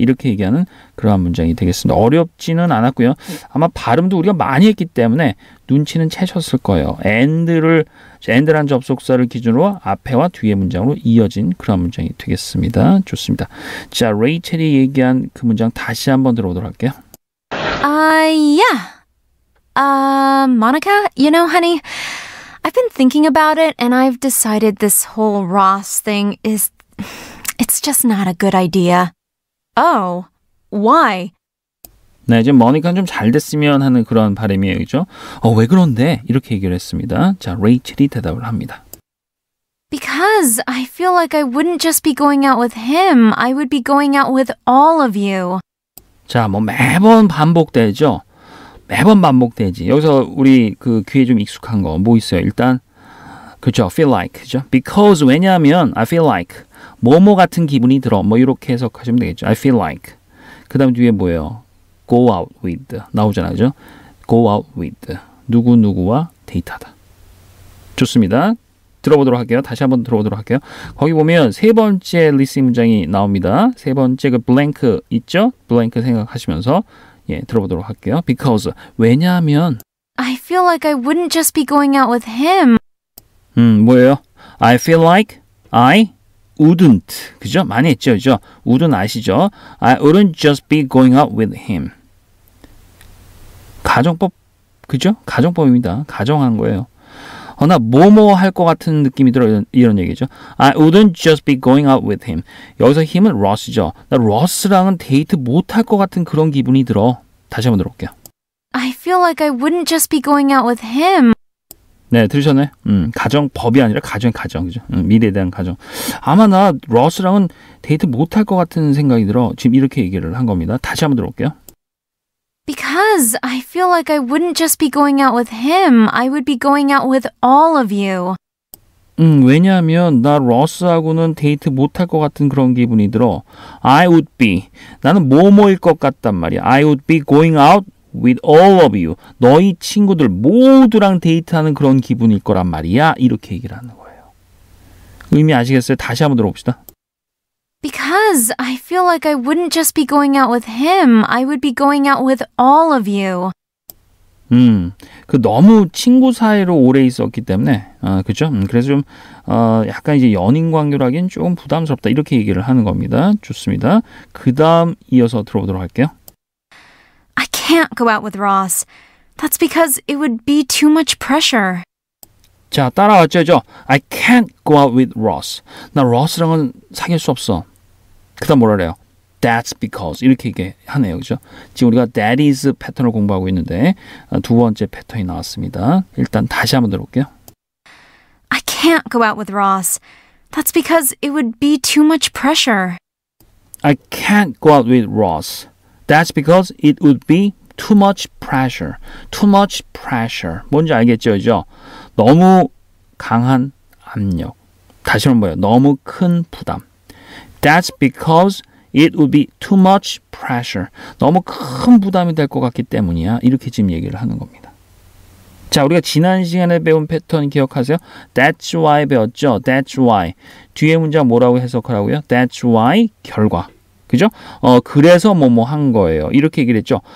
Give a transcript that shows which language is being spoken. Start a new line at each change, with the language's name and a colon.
Korean: 이렇게 얘기하는 그러한 문장이 되겠습니다. 어렵지는 않았고요. 아마 발음도 우리가 많이 했기 때문에 눈치는 채셨을 거예요. and라는 접속사를 기준으로 앞에와 뒤에 문장으로 이어진 그런 문장이 되겠습니다. 좋습니다. 자, 레이첼이 얘기한 그 문장 다시 한번 들어보도록 할게요.
English: Monica, you know, honey, I've been thinking about it and I've decided this whole Ross thing is, it's just not a good idea. Oh, why?
Korean: 네, 이제 모니카는 좀 잘 됐으면 하는 그런 바람이에요, 그렇죠? 왜 그런데? 이렇게 얘기를 했습니다. 자, 레이첼이 대답을 합니다.
English: Because I feel like I wouldn't just be going out with him. I would be going out with all of you.
Korean: 자, 뭐 매번 반복되죠? 매번 반복되지. 여기서 우리 그 귀에 좀 익숙한 거 뭐 있어요? 일단, 그렇죠? Feel like, 그렇죠? Because, 왜냐하면
English: I feel like,
Korean: 뭐뭐 같은 기분이 들어. 뭐 이렇게 해석하시면 되겠죠.
English: I feel like.
Korean: 그 다음 뒤에 뭐예요?
English: Go out with.
Korean: 나오잖아요. 그렇죠?
English: Go out with.
Korean: 누구누구와 데이트하다. 좋습니다. 들어보도록 할게요. 다시 한번 들어보도록 할게요. 거기 보면 세 번째 리스닝 문장이 나옵니다. 세 번째 그 블랭크 있죠? 블랭크 생각하시면서 예, 들어보도록 할게요.
English: Because, 왜냐하면 I feel like I wouldn't just be going out with him.
Korean: 뭐예요?
English: I feel like I wouldn't.
Korean: 그죠? 많이 했죠, 그죠? wouldn't 아시죠?
English: I wouldn't just be going out with him.
Korean: 가정법, 그죠? 가정법입니다. 가정한 거예요. 나 뭐뭐 할 것 같은 느낌이 들어 이런 얘기죠.
English: I wouldn't just be going out with him.
Korean: 여기서 him은 Ross죠. 나 Ross랑은 데이트 못할 것 같은 그런 기분이 들어. 다시 한번 들어볼게요.
English: I feel like I wouldn't just be going out with him.
Korean: 네, 들으셨나요? 가정법이 아니라 가정이죠. 미래에 대한 가정. 아마 나 Ross랑은 데이트 못할 것 같은 생각이 들어. 지금 이렇게 얘기를 한 겁니다. 다시 한번 들어볼게요.
English: Because I feel like I wouldn't just be going out with him. I would be going out with all of you.
Korean: 왜냐하면 나 러스하고는 데이트 못할 것 같은 그런 기분이 들어.
English: I would be.
Korean: 나는 뭐뭐일 것 같단 말이야.
English: I would be going out with all of you.
Korean: 너희 친구들 모두랑 데이트하는 그런 기분일 거란 말이야. 이렇게 얘기를 하는 거예요. 의미 아시겠어요? 다시 한번 들어봅시다.
English: Because I feel like I wouldn't just be going out with him. I would be going out with all of you.
Korean: 그 너무 친구 사이로 오래 있었기 때문에, 그렇죠? 그래서 좀 약간 이제 연인 관계라기엔 조금 부담스럽다 이렇게 얘기를 하는 겁니다. 좋습니다. 그 다음 이어서 들어보도록 할게요.
English: I can't go out with Ross. That's because it would be too much pressure.
Korean: 자, 따라왔죠, 그죠?
English: I can't go out with Ross.
Korean: 나 Ross랑은 사귈 수 없어. 그 다음 뭐라 그래요? That's because 이렇게 얘기하네요. 그렇죠? 지금 우리가 that is 패턴을 공부하고 있는데 두 번째 패턴이 나왔습니다. 일단 다시 한번 들어볼게요.
English: I can't go out with Ross. That's because it would be too much pressure. I can't go out with Ross. That's because it would be too much pressure. Too much pressure.
Korean: 뭔지 알겠죠? 그렇죠? 너무 강한 압력. 다시 한번 봐요. 너무 큰 부담.
English: That's because it would be too much pressure.
Korean: 너무 큰 부담이 될 것 같기 때문이야. 이렇게 지금 얘기를 하는 겁니다. 자, 우리가 지난 시간에 배운 패턴 기억하세요?
English: That's why 배웠죠? That's why.
Korean: 뒤에 문장 뭐라고 해석하라고요? That's why 결과. 그죠? 그래서 뭐뭐 한 거예요. 이렇게 얘기를 했죠.